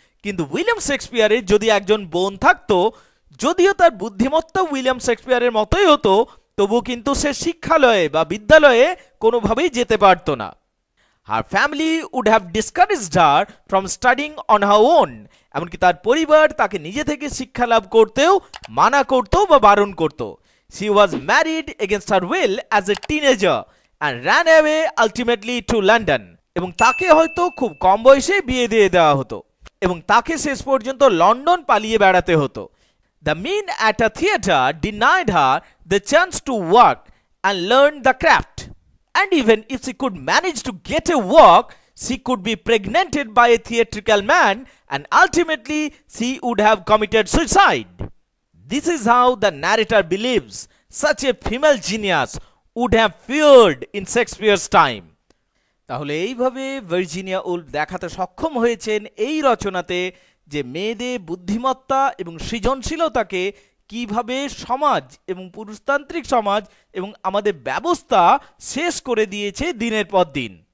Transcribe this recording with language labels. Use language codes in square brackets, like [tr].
[bn] কিন্তু উইলিয়াম শেক্সপিয়ারের যদি একজন বোন থাকতো, যদিও তার বুদ্ধিমত্তা উইলিয়াম শেক্সপিয়ারের মতোই হতো, তবু কিন্তু সে শিক্ষালয়ে বা বিদ্যালয়ে কোনোভাবেই যেতে পারত না। [en] her family would have discouraged her from studying on her own, [bn] এমনকি তার পরিবার তাকে নিজে থেকে শিক্ষা লাভ করতেও মানা করত বা বারণ করত। [en] She was married against her will as a teenager and ran away ultimately to London. [bn] এবং তাকে হয়তো খুব কম বয়সে বিয়ে দিয়ে দেওয়া হতো এবং তাকে শেষ পর্যন্ত লন্ডন পালিয়ে বেড়াতে হতো [en] The men at a theater denied her the chance to work and learn the craft. And even if she could manage to get a work, she could be pregnanted by a theatrical man and ultimately she would have committed suicide. This is how the narrator believes such a female genius would have feared in Shakespeare's time. [bn] তাহলে এইভাবে Virginia Wolf দেখাতে সক্ষম হয়েছেন এই রচনাতে যে মেয়েদের বুদ্ধিমত্তা এবং সৃজনশীলতাকে কিভাবে সমাজ এবং পুরুষতান্ত্রিক সমাজ এবং আমাদের ব্যবস্থা শেষ করে দিয়েছে দিনের পর দিন